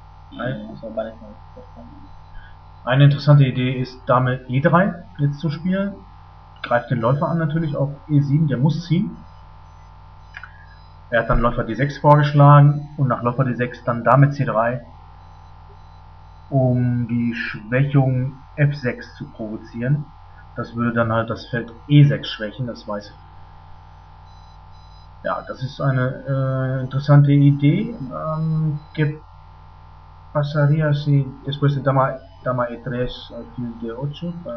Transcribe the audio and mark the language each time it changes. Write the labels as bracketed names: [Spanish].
[Spanish] Y eso parece muy importante. [German] Eine interessante Idee ist, Dame E3 jetzt zu spielen. Greift den Läufer an natürlich auf E7, der muss ziehen. Er hat dann Läufer D6 vorgeschlagen und nach Läufer D6 dann Dame C3, um die Schwächung F6 zu provozieren. Das würde dann halt das Feld E6 schwächen, das weiß ich. Ja, das ist eine interessante Idee. [Spanish] ¿Qué pasaría si después de Dama Dama E3, alfil D8,